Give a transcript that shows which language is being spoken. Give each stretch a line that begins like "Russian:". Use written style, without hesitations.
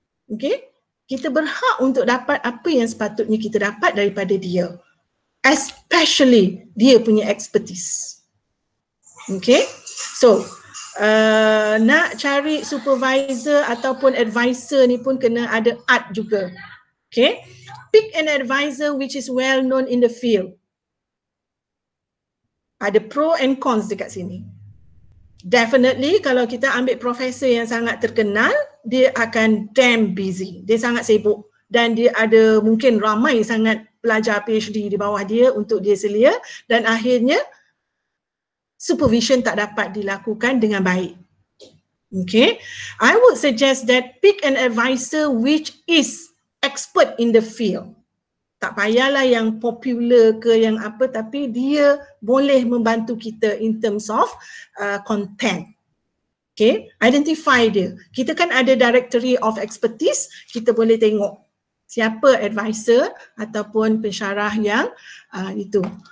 Malay: Okay, kita berhak untuk dapat apa yang sepatutnya kita dapat daripada dia, especially dia punya expertise. Okay, so nak cari supervisor ataupun advisor ni pun kena ada art juga.
English: Okay, pick an advisor which is well known in the field.
Malay: Ada
English: pro and cons
Malay: dekat sini. Definitely kalau kita ambil profesor yang sangat terkenal, dia akan
English: damn busy.
Malay: Dia sangat sibuk dan dia ada mungkin ramai sangat pelajar PhD di bawah dia untuk dia selia, dan akhirnya supervision tak dapat dilakukan dengan baik.
English: Okay, I would suggest that pick an advisor which is expert in the field.
Malay: Tak payahlah yang popular ke yang apa, tapi dia boleh membantu kita
English: in terms of content.
Malay: Okay, identify dia. Kita kan ada
English: directory of expertise,
Malay: kita boleh tengok siapa advisor ataupun pensyarah yang itu.